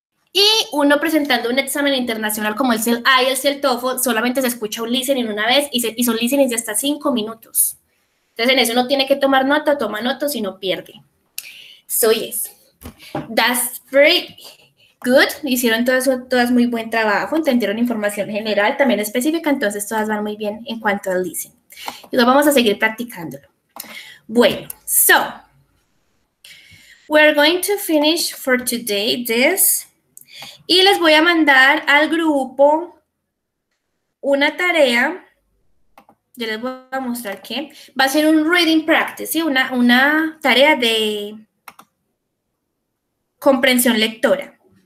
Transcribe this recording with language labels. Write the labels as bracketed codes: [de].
[es] Y uno presentando un examen internacional como es el IELTS, el TOEFL, solamente se escucha un listening una vez y son listenings de hasta 5 minutos. Entonces, en eso uno tiene que tomar nota, toma nota, si no pierde. [en] So, yes. That's pretty good. [es] Hicieron todas muy buen trabajo, entendieron información general, también específica, entonces todas van muy bien en cuanto al listening. Y lo vamos a seguir practicándolo. Bueno, [en] so, we're going to finish for today this. [es] Y les voy a mandar al grupo una tarea. Yo les voy a mostrar que va a ser un reading practice, ¿sí? Una tarea de comprensión lectora.